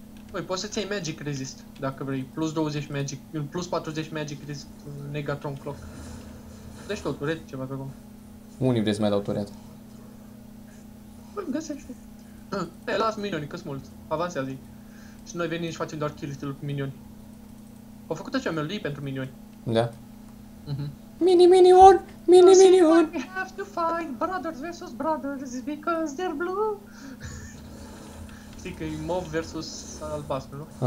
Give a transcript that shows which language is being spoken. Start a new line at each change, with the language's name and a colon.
Romanian: Păi, poți să-ți iei Magic Resist, dacă vrei, plus 20 Magic, plus 40 Magic Resist, Negatron Clock. Deci tot, turet ceva pe acolo. Unii vrei să mai dau turet. Păi, găsește. Păi, las minioni, că-s mulți, avansează-i. Și noi venim și facem doar kill-uri cu minioni. Au făcut acea melodie pentru minioni. Da. Mini-minion, mini-minion.
English: We have to fight brothers versus brothers because they're blue.
Romanian: Știi că e mob versus albastru, nu?